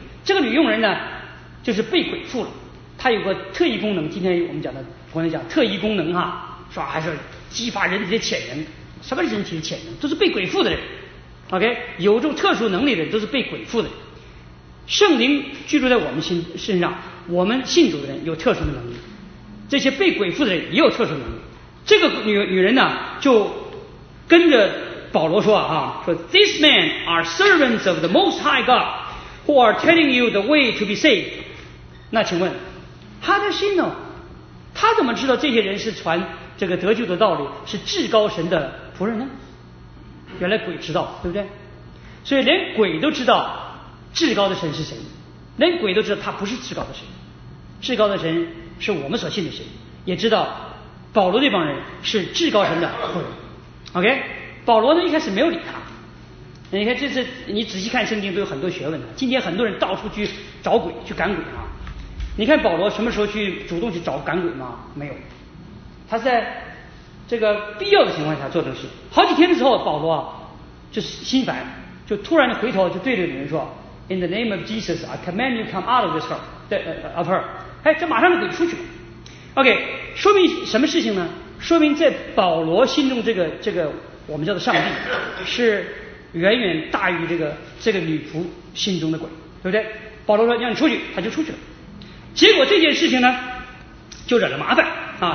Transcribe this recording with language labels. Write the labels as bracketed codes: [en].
[zh] 这个女佣人呢就是被鬼附了，她有个特异功能，今天我们讲的朋友讲特异功能哈，说还是激发人体的潜能。什么人体的潜能？都是被鬼附的人。 OK， 有这种特殊能力的人都是被鬼附的人。圣灵居住在我们身上，我们信主的人有特殊的能力，这些被鬼附的人也有特殊能力。这个女人呢就跟着保罗说啊，说 [en] These men are servants of the Most High God who are telling you the way to be saved。 [zh] 那请问 [en] How does he know？ [zh] 他怎么知道这些人是传这个得救的道理，是至高神的仆人呢？原来鬼知道，对不对？所以连鬼都知道至高的神是谁，连鬼都知道他不是至高的神，至高的神是我们所信的神，也知道保罗这帮人是至高神的仆人。 OK， 保罗呢一开始没有理他。你看这是，你仔细看圣经都有很多学问的。今天很多人到处去找鬼，去赶鬼啊。你看保罗什么时候去主动去找赶鬼吗？没有，他在这个必要的情况下做这个事。好几天的时候，保罗就心烦，就突然回头就对着女人说 [en] In the name of Jesus I command you come out of this her of her。 [zh] 哎，这马上就鬼出去了。 OK， 说明什么事情呢？说明在保罗心中这个我们叫做上帝是远远大于这个女仆心中的鬼，对不对？保罗说让你出去，他就出去了。结果这件事情呢就惹了麻烦啊。